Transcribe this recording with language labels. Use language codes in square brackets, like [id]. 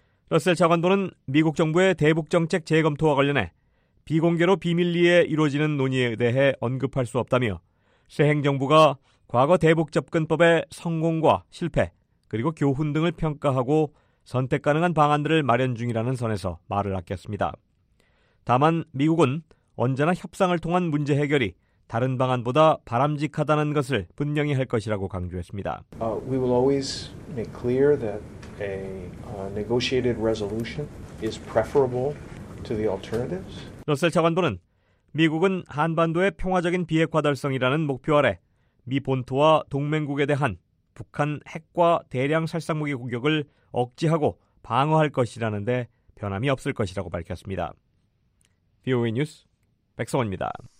[ko] 러셀 차관도는 미국 정부의 대북정책 재검토와 관련해 비공개로 비밀리에 이루어지는 논의에 대해 언급할 수 없다며 새 행정부가 과거 대북접근법의 성공과 실패 그리고 교훈 등을 평가하고 선택 가능한 방안들을 마련 중이라는 선에서 말을 아꼈습니다. 다만 미국은 언제나 협상을 통한 문제 해결이 다른 방안보다 바람직하다는 것을 분명히 할 것이라고 강조했습니다. [en] We will always make clear that a negotiated resolution is preferable to the alternatives. [ko] 러셀 차관보는 미국은 한반도의 평화적인 비핵화 달성이라는 목표 아래 미 본토와 동맹국에 대한 북한 핵과 대량 살상무기 공격을 억제하고 방어할 것이라는데 변함이 없을 것이라고 밝혔습니다. VOA 뉴스 백성원입니다.